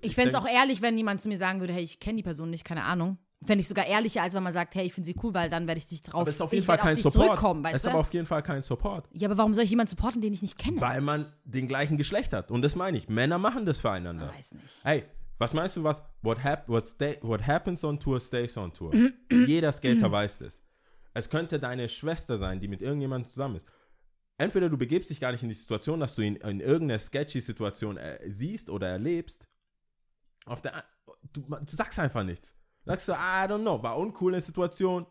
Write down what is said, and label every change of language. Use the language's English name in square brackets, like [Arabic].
[German] Ich fände es auch ehrlich, wenn jemand zu mir sagen würde, hey, ich kenne die Person nicht, keine Ahnung. Fände ich sogar ehrlicher, als wenn man sagt, hey, ich finde sie cool, weil dann werde ich dich drauf... Aber es ist auf jeden Fall kein Support. Es ist aber auf jeden Fall kein Support. Ja, aber warum soll ich jemanden supporten, den ich nicht kenne? Weil man den gleichen Geschlecht hat. Und das meine ich. Männer machen das füreinander. Ich weiß nicht. Hey, was meinst du, was... [English] What happens on tour, stays on tour. [German] Jeder Skater weiß das. Es könnte deine Schwester sein, die mit irgendjemandem zusammen ist. Entweder du begibst dich gar nicht in die Situation, dass du ihn in irgendeiner sketchy Situation siehst oder erlebst. Du sagst einfach nichts. Sagst du, [English] I don't know, [German] war uncool in der Situation.